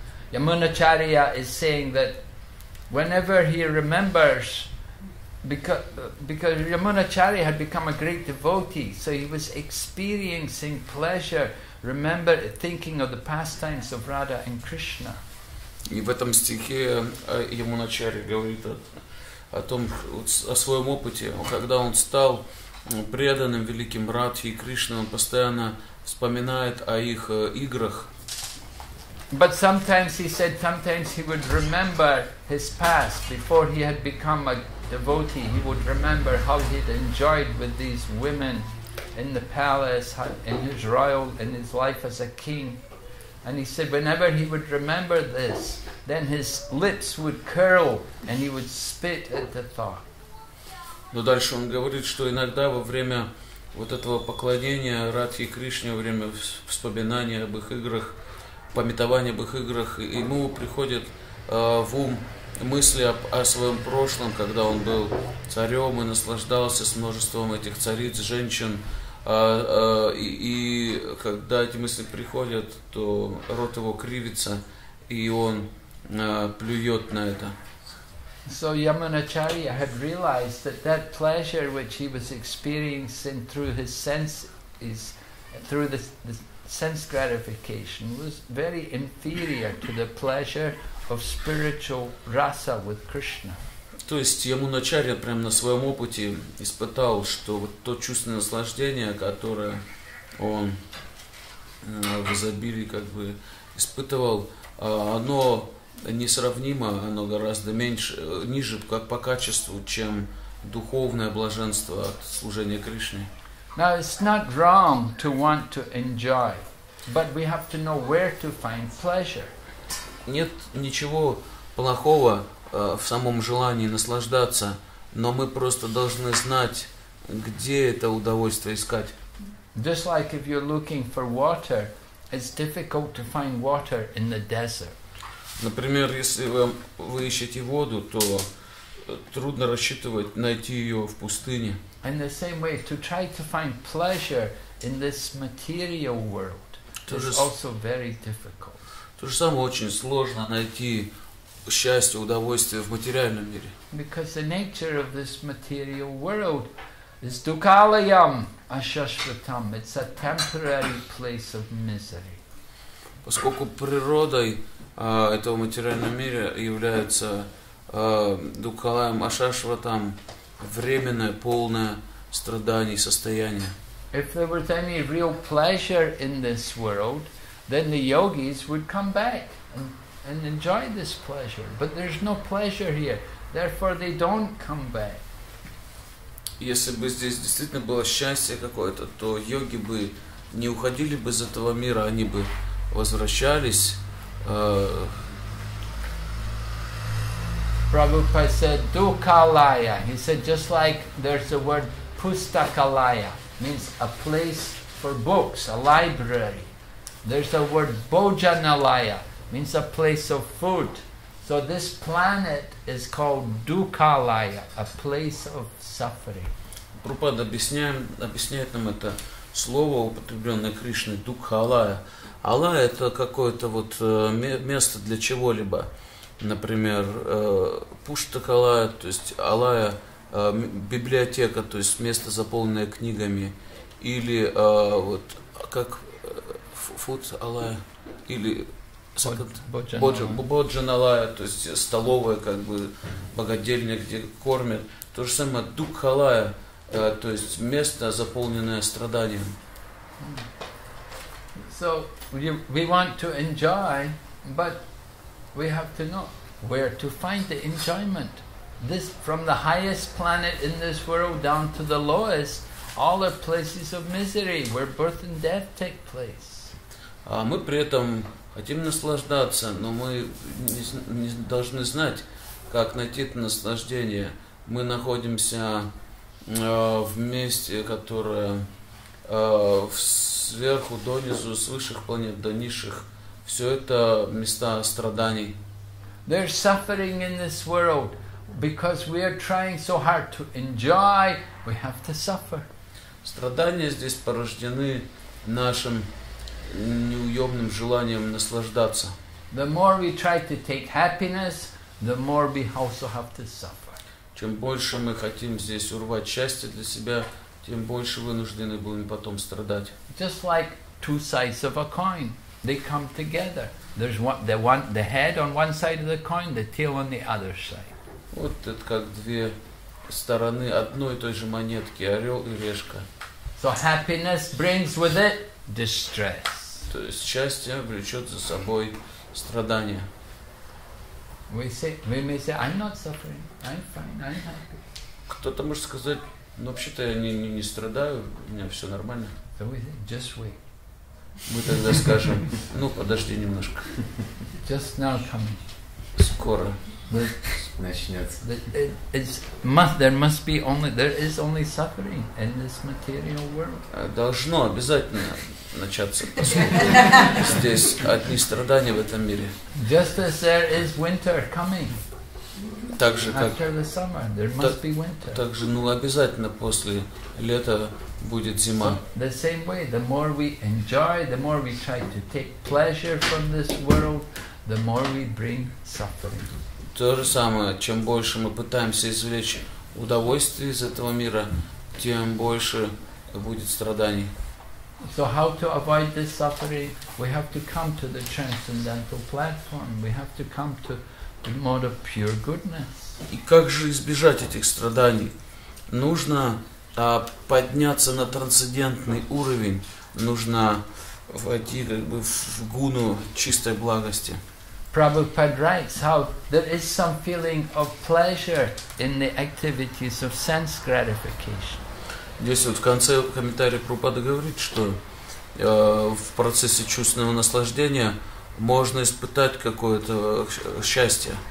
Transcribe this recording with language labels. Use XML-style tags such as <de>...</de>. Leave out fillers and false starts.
<en>Ямуначарья is saying that whenever he remembers, because Yamunacharya had become a great devotee, so he was experiencing pleasure, remember thinking of the pastimes of Radha and Krishna.</en> <ru>И в этом стихе Ямуначарья говорит о том, о своем опыте, когда он стал преданным великим Радхе и Кришне, он постоянно вспоминает о их играх.</ru> <en>But sometimes he said, sometimes he would remember his past before he had become a devotee. He would remember how he'd enjoyed with these women in the palace, in his life as a king. And he said, whenever he would remember this, then his lips would curl and he would spit at the thought.</en> <ru>Но дальше он говорит, что иногда во время вот этого поклонения Радхе и Кришне, во время вспоминания об их играх, памятование об их играх, ему приходит в ум мысли о своем прошлом, когда он был царем и наслаждался с множеством этих цариц, женщин. И когда эти мысли приходят, то рот его кривится, и он плюет на это.</ru> <en>So Yamunacharya had realized that that pleasure which he was experiencing through his senses, through the sense gratification was very inferior to the pleasure of spiritual rasa with Krishna.</en> <ru>То есть Ямуначарья прямо на своем опыте испытал, что вот то чувственное наслаждение, которое он в изобилии как бы испытывал, оно несравнимо, оно гораздо меньше, ниже как по качеству, чем духовное блаженство от служения Кришне.</ru> <en>Now it's not wrong to want to enjoy, but we have to know where to find pleasure.</en> <ru>Нет ничего плохого в самом желании наслаждаться, но мы просто должны знать, где это удовольствие искать.</ru> <en>Just like if you're looking for water, it's difficult to find water in the desert.</en> <ru>Например, если вы ищете воду, то трудно рассчитывать найти ее в пустыне.</ru> <en>In the same way, to try to find pleasure in this material world is also very difficult.</en> <ru>То же самое очень сложно найти счастье, удовольствие в материальном мире.</ru> <en>Because the nature of this material world is dukalayam ashashvatam. It's a temporary place of misery.</en> <ru>Поскольку природой этого материального мира является дукалаям ашашватам, временное, полное страданий, состояние.</ru> <en>If there was any real pleasure in this world, then the yogis would come back and enjoy this pleasure. But there's no pleasure here, therefore they don't come back.</en> <ru>Если бы здесь действительно было счастье какое-то, то йоги бы не уходили бы из этого мира, они бы возвращались.</ru> <en>Prabhupada said dukalaya. He said just like there's the word pustakalaya, means a place for books, a library. There's the word bhojanalaya, means a place of food. So this planet is called dukalaya, a place of suffering.</en> <ru>Prabhupada объясняет нам это слово, употребленное Кришной, дукалая. Алая – это какое-то вот место для чего-либо. Например, пуштакалая, то есть алая, библиотека, то есть место, заполненное книгами, или вот как фуд алая, или боджаналая, то есть столовая, как бы богадельня, где кормят. То же самое дукхалая, то есть место, заполненное страданием.</ru> <en>So we want to enjoy, but we have to know where to find the enjoyment. This, from the highest planet in this world down to the lowest, all are places of misery where birth and death take place.</en> <ru>Мы при этом хотим наслаждаться, но мы не должны знать, как найти это наслаждение. Мы находимся в месте, которое сверху донизу, с высших планет до низших, все это места страданий.</ru> <en>There's suffering in this world because we are trying so hard to enjoy. We have to suffer.</en> <ru>Страдания здесь порождены нашим неуемным желанием наслаждаться.</ru> <en>The more we try to take happiness, the more we also have to suffer.</en> <ru>Чем больше мы хотим здесь урвать счастье для себя, тем больше вынуждены будем потом страдать.</ru> <en>Just like two sides of a coin, they come together. There's one, the head on one side of the coin, the tail on the other side.</en> <ru>Вот это как две стороны одной и той же монетки, орел и решка.</ru> <en>So happiness brings with it distress.</en> <ru>То есть счастье влечет за собой страдания.</ru> <en>We may say, I'm not suffering, I'm fine, I'm happy.</en> <ru>Кто-то может сказать, ну вообще-то я не страдаю, у меня все нормально.</ru> <en>So we say, just wait.</en> <ru>Мы тогда скажем, ну подожди немножко.</ru> <en>Just now coming.</en> <ru>Скоро. Начнется. Должно обязательно начаться здесь одни страдания в этом мире.</ru> <en>Just as there is winter coming.</en> <ru>Так же, как</ru> <en>after the summer, there must be winter.</en> <ru>Так же, ну обязательно после лета будет зима.</ru> <en>So, the same way, the more we enjoy, the more we try to take pleasure from this world, the more we bring suffering.</en> <ru>То же самое, чем больше мы пытаемся извлечь удовольствие из этого мира, тем больше будет страданий.</ru> <en>So how to avoid this suffering? We have to come to the transcendental platform. We have to come to the mode of pure goodness.</en> <ru>И как же избежать этих страданий? Нужно подняться на трансцендентный уровень. Нужно войти как бы в гуну чистой благости.</ru> <en>Prabhupada writes how there is some feeling of pleasure in the activities of sense gratification.</en> <ru>Здесь вот в конце комментария Прабхупада говорит, что в процессе чувственного наслаждения можно испытать какое-то счастье.</ru>